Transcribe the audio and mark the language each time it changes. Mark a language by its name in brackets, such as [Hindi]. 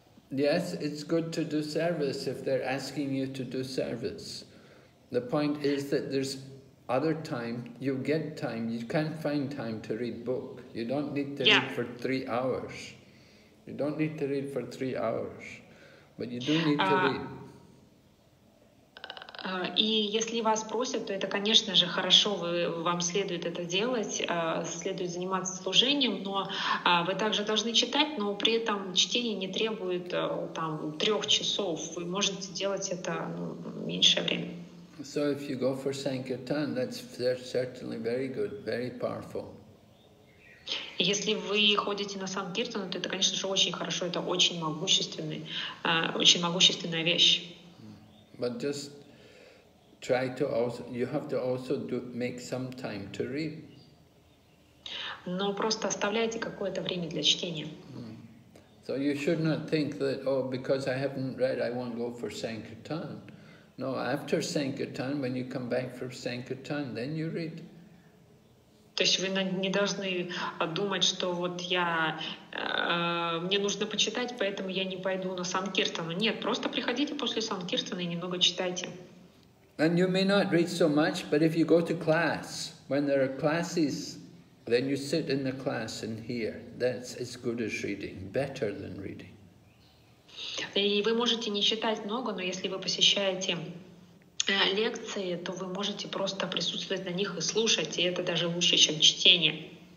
[English] Yes, it's good to do service if they're asking you to do service. The point is that there's other time, you get time, you can't find time to read book. You don't need to read for 3 hours. You don't need to read for 3 hours, but you do need to read. [Russian] И если вас просят, то это, конечно же, хорошо, вам следует это делать, следует заниматься служением, но вы также должны читать, но при этом чтение не требует там 3 часов, вы можете делать это меньшее время. [English] So if you go for Sankirtan, that's certainly very good, very powerful. [Russian] Если вы ходите на Санкиртану, то это, конечно же, очень хорошо, это очень могущественная вещь. [English] But just try to also, you have to also do, make some time to read. [Russian] Но просто оставляйте какое-то время для чтения. [English] So you should not think that, oh, because I haven't read, I won't go for Sankirtan. No, after Sankirtan, when you come back from Sankirtan, then you read. [Russian] То есть вы не должны думать, что вот я мне нужно почитать, поэтому я не пойду на Санкиртану. Нет, просто приходите после Санкиртана и немного читайте. [English] And you may not read so much, but if you go to class, when there are classes, then you sit in the class and hear. That's as good as reading, better than reading. [Russian] И вы можете не читать много, но если вы посещаете лекции, то вы можете просто присутствовать на них и слушать, и это даже лучше, чем чтение.